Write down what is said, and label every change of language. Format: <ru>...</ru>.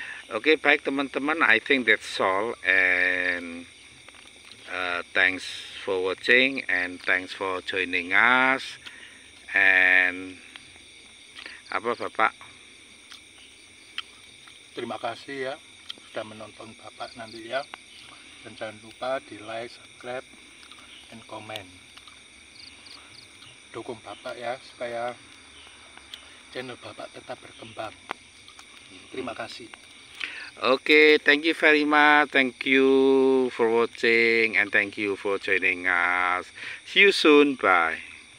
<id>Oke, baik teman-teman,</id> <en>I think that's all, and thanks for watching and thanks for joining us, and</en> <id>apa Bapak, terima kasih ya sudah menonton Bapak nanti ya. Dan jangan lupa di</id> <en>like, subscribe, and comment.</en> <id>Dukung Bapak ya supaya channel Bapak tetap berkembang. Terima kasih.</id> <en>Oke, thank you very much. Thank you for watching and thank you for joining us. See you soon. Bye.</en>